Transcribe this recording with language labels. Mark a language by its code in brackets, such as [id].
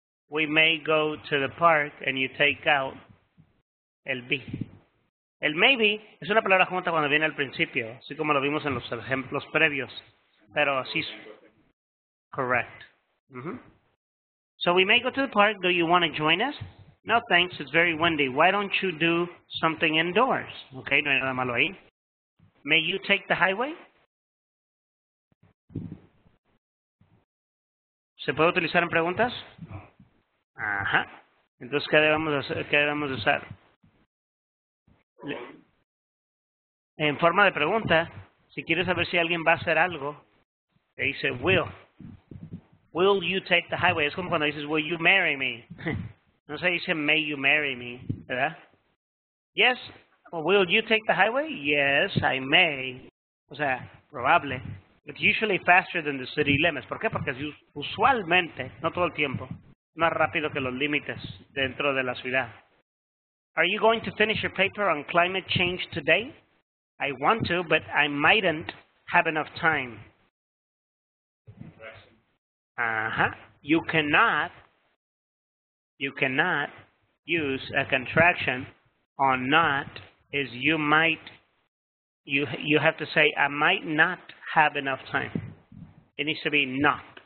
[en] We may go to the park and you take out el be. [es] El maybe es una palabra junta cuando viene al principio, así como lo vimos en los ejemplos previos. Pero sí, correct. Mm-hmm. [en] So we may go to the park. Do you want to join us? No, thanks. It's very windy. Why don't you do something indoors? Okay, [es] no hay nada malo ahí. [en] May you take the highway? [es] ¿Se puede utilizar en preguntas? No. Ajá. Entonces, ¿qué debemos hacer? ¿Qué debemos usar? En forma de pregunta, si quieres saber si alguien va a hacer algo, te dice will. [en] Will you take the highway? [es] Es como cuando dices, [en] will you marry me? [es] No se dice, [en] may you marry me, [es] ¿verdad? [en] Yes, or will you take the highway? Yes, I may. [es] O sea, probable. [en] It's usually faster than the city limits. [es] ¿Por qué? Porque usualmente, no todo el tiempo, más rápido que los límites dentro de la ciudad. [en] Are you going to finish your paper on climate change today? I want to, but I mightn't have enough time. Uh-huh. You cannot use a contraction on not, is you might, you have to say, I might not have enough time. It needs to be not.